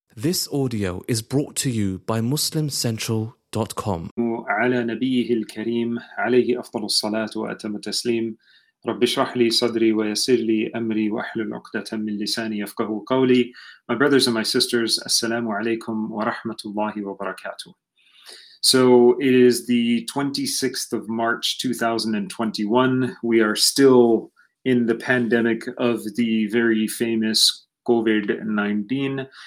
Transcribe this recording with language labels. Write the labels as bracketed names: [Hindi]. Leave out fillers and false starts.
[English] This audio is brought to you by MuslimCentral.com. [Arabic] على نبيه الكريم عليه أفضل الصلاة وأتم التسليم. رب اشرح لي صدري ويسر لي أمري واحلل عقدة من لساني يفقه قولي. [English] My brothers and my sisters, [Arabic] السلام عليكم ورحمة الله وبركاته. [English] So it is the 26th of March 2021. We are still in the pandemic of the very famous COVID-19.